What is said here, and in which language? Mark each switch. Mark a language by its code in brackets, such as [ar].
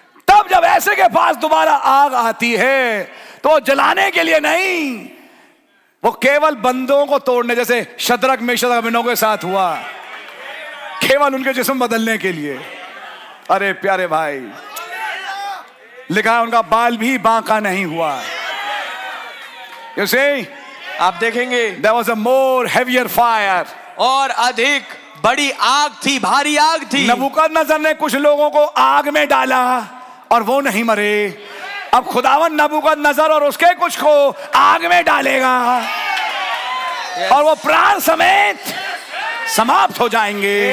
[hi] तब जब ऐसे के पास दोबारा आग आती है तो जलाने के लिए नहीं, वो केवल बंधनों को तोड़ने, जैसे शद्रक मेशक अभिनव के साथ हुआ, केवल उनके जिस्म बदलने के लिए। अरे प्यारे भाई, लिखा है उनका बाल भी बांका नहीं हुआ। [en] You see? [hi] आप देखेंगे, [en] there was a more heavier fire. [hi] और अधिक बड़ी आग थी, भारी आग थी। नबूकदनेस्सर ने कुछ लोगों को आग में डाला और वो नहीं मरे, अब खुदावन नबूकदनेस्सर और उसके कुछ को आग में डालेगा और वो प्राण समेत समाप्त हो जाएंगे।